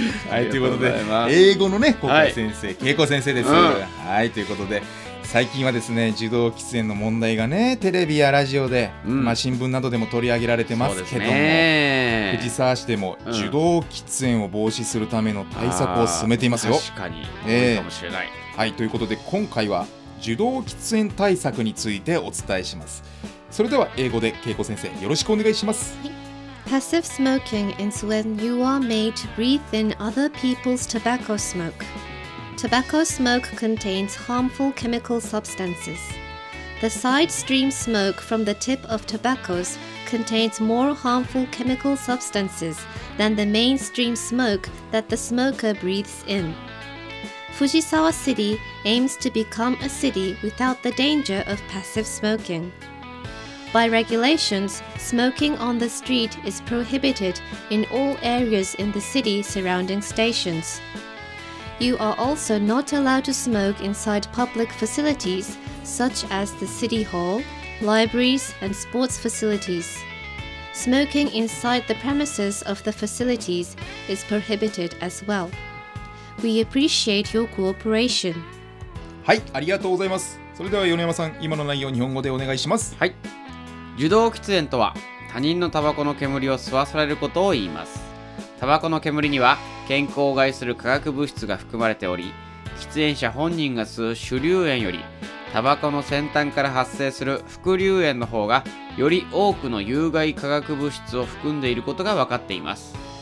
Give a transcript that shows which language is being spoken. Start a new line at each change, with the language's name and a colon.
Japanese: はい、ということで、英語のね、恵子先生、恵子先生です、うん、はい、ということで、最近はですね、受動喫煙の問題がね、テレビやラジオで、うん、まあ、新聞などでも取り上げられてますけども、藤沢市でも受動喫煙を防止するための対策を進めていますよ、うん、確かに、多いかもしれない、はい、ということで、今回は受動喫煙対策についてお伝えします。それでは英語で恵子先生、よろしくお願いします。
English: Passive smoking is when you are made to breathe in other people's tobacco smoke. Tobacco smoke contains harmful chemical substances. The side stream smoke from the tip of tobaccos contains more harmful chemical substances than the mainstream smoke that the smoker breathes in. Fujisawa City aims to become a city without the danger of passive smoking. By regulations, smoking on the street is prohibited in all areas in the city surrounding stations. You are also not allowed to smoke inside public facilities such as the city hall, libraries, and sports facilities. Smoking inside the premises of the facilities is prohibited as well. We appreciate your cooperation.
Japanese: はい、ありがとうございます。それでは米山さん、今の内容を日本語でお願いします。はい。受動喫煙とは、他人のタバコの煙を吸わされることを言います。タバコの煙には健康を害する化学物質が含まれており、喫煙者本人が吸う主流煙よりタバコの先端から発生する副流煙の方がより多くの有害化学物質を含んでいることが分かっています。